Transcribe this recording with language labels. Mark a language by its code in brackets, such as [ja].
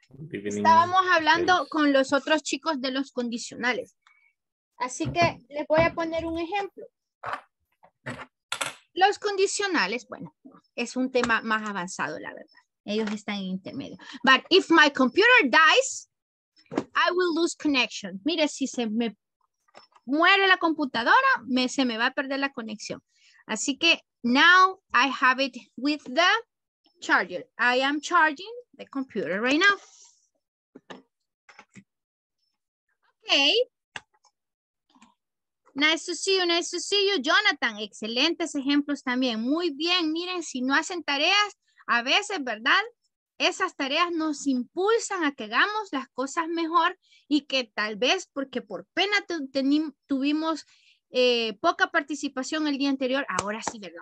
[es] Estábamos hablando con los otros chicos de los condicionales. Así que les voy a poner un ejemplo. Los condicionales, bueno, es un tema más avanzado, la verdad. Ellos están en intermedio. [en] But if my computer dies, I will lose connection. [es] Mire, si se me muere la computadora, se me va a perder la conexión. Así que [en] now I have it with the charger. I am charging the computer right now. Okay. Nice to see you, nice to see you, Jonathan. [es] Excelentes ejemplos también. Muy bien, miren, si no hacen tareas, a veces, ¿verdad? Esas tareas nos impulsan a que hagamos las cosas mejor y que tal vez porque por pena tuvimos poca participación el día anterior, ahora sí, ¿verdad?